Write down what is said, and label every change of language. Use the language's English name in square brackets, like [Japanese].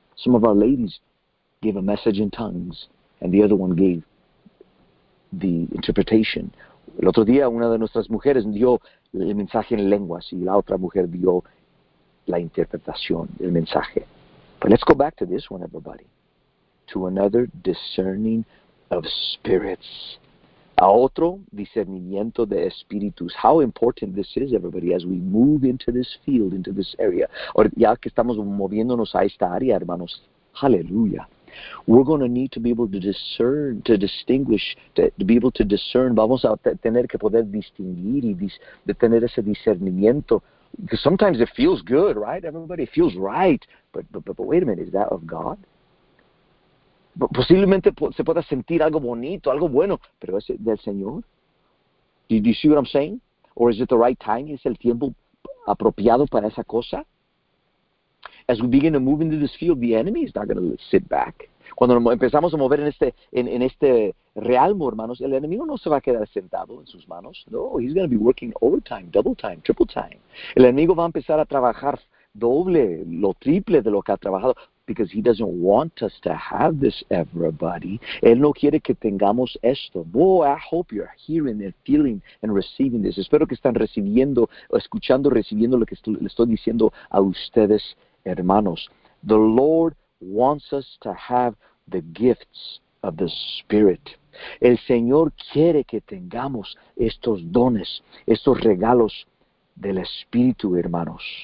[English] Some of our ladies gave a message in tongues, and the other one gave the interpretation. [Spanish] El otro día, una de nuestras mujeres dio el mensaje en lenguas, y la otra mujer dio la interpretación del mensaje. [English] But let's go back to this one, everybody. To another, discerning of spirits. [Spanish] A otro, discernimiento de espíritus. [English] How important this is, everybody, as we move into this field, into this area. [Spanish] Or ya que estamos moviéndonos a esta área, hermanos. Hallelujah. [English] We're going to need to be able to discern, to distinguish, to be able to discern. [Spanish] Vamos a tener que poder distinguir y de tener ese discernimiento. [English] Because sometimes it feels good, right? Everybody, it feels right. But wait a minute, is that of God? [Spanish] Posiblemente se pueda sentir algo bonito, algo bueno, pero ¿es del Señor? [English] Do you see what I'm saying? Or is it the right time? [Spanish] ¿Es el tiempo apropiado para esa cosa? [English] As we begin to move into this field, the enemy is not going to sit back. [Spanish] Cuando empezamos a mover en este realmo, hermanos, el enemigo no se va a quedar sentado en sus manos. [English] No, he's going to be working overtime, double time, triple time. [Spanish] El enemigo va a empezar a trabajar doble, lo triple de lo que ha trabajado, [English] because he doesn't want us to have this, everybody. [Spanish] Él no quiere que tengamos esto. [English] Boy, I hope you're hearing and feeling and receiving this. [Spanish] Espero que están recibiendo, escuchando, recibiendo lo que le estoy diciendo a ustedes, hermanos. [English] The Lord wants us to have the gifts of the Spirit. [Spanish] El Señor quiere que tengamos estos dones, estos regalos del Espíritu, hermanos.